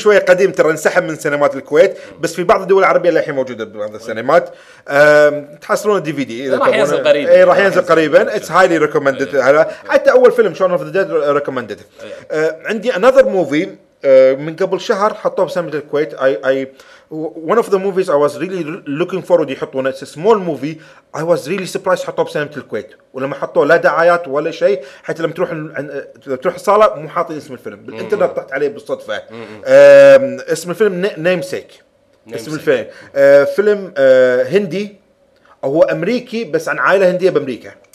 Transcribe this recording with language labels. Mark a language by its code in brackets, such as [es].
[ar] شوي قديم ترى، انسحب من سينمات الكويت، بس في بعض الدول العربية اللي الحين موجودة بعض السينمات. تحصلون الدي في دي راح ينزل قريبا. اي راح ينزل قريبا. [en] It's highly recommended. [ar] حتى اول فيلم Shaun of the Dead recommended. عندي [en] another movie [ar] من قبل شهر حطوه بسينما الكويت. [en] I one of the movies I was really looking forward [ar] يحطونه. [en] It's a small movie. I was really surprised [ar] حطوه بسينما الكويت. ولما حطوه لا دعايات ولا شيء، حتى لما تروح تروح الصالة مو حاطين اسم الفيلم. بالإنترنت طحت عليه بالصدفة. اسم الفيلم Namesake. اسم الفيلم فيلم هندي، هو أمريكي بس عن عائلة هندية بأمريكا.